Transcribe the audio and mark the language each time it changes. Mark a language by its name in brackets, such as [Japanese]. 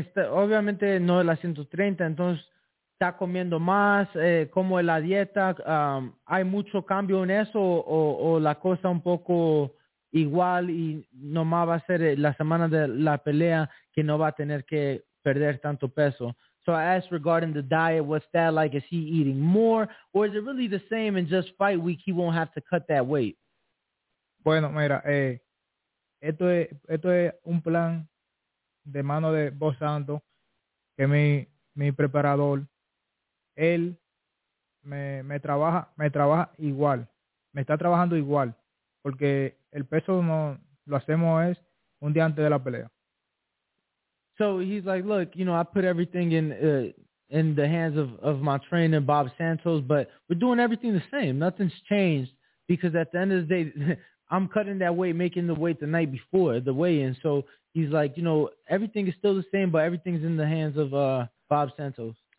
[Spanish] Obviamente no es la 130, entonces está comiendo más, como es la dieta, hay mucho cambio en eso, o la cosa un poco igual, y nomás va a ser la semana de la pelea, que no va a tener que perder tanto peso. [English] So I asked regarding the diet, what's that like? Is he eating more? Or is it really the same in just fight week? He won't have to cut that weight. [Spanish] Bueno, mira, esto es un plan de mano de Bo Santo, que mi preparador, él me trabaja igual. Me está trabajando igual. Porque el peso no lo hacemos es un día antes de la pelea. [English] So he's like, look, you know, I put everything in the hands of my trainer, Bob Santos, but we're doing everything the same. Nothing's changed because at the end of the day, I'm cutting that weight, making the weight the night before the weigh-in. So he's like, you know, everything is still the same, but everything's in the hands of Bob Santos.